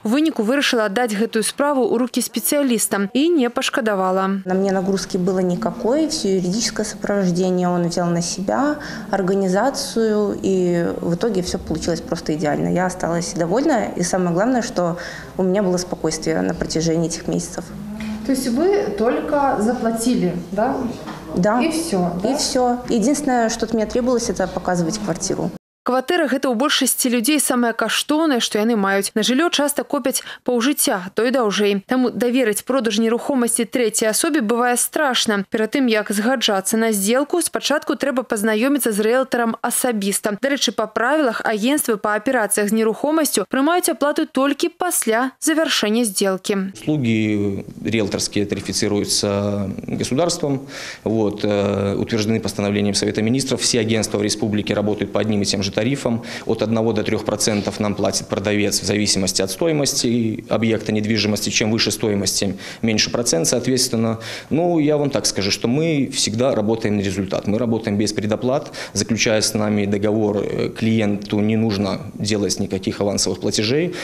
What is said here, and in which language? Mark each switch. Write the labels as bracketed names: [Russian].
[Belarusian] У выніку вырашыла аддаць гэтую справу ў рукі спецыялістам і не пашкадавала. На мне нагрузкі было нікакой, всё юрыдычнае суправаджэнне ён узяў на сябе, арганізацыю, і [Russian] в итоге всё получилось просто [Belarusian] ідэальна. Я асталася довольна, і самае главнае, што ў мяне было спакойствие на працягу цих месяцаў. [Russian] То есть вы только заплатили, да? Да. И все. Да? И все. Единственное, что мне требовалось, это показывать квартиру. [Belarusian] Кватэры – гэта ў большасці людзей самае каштоўнае, што яны маюць. На жыллё часта копяць паўжыцця, то і даўжэй. Таму даверыць продаж нерухомасці трэцяй асобе бывае страшна. Перад тым, як згаджацца на здзелку, спачатку трэба пазнаёміцца з рыэлтарам асабіста. Дарэчы, па правілах агенцтвы па аперацыях з нерухомасцю прымаюць аплату толькі пасля завяршэння здзелкі. Услугі рыэлтарскія тарыфіцыруюцца государствам, утверджаны пастанаўленнем Савета міністраў. Все агенцтвы рэспублікі работаюць па адным і тым же тарифам. [Russian] От 1 до 3% нам платит продавец в зависимости от стоимости объекта недвижимости. Чем выше стоимость, тем меньше процент, соответственно. Ну, я вам так скажу, что мы всегда работаем на результат. Мы работаем без предоплат. Заключая с нами договор, клиенту не нужно делать никаких авансовых платежей.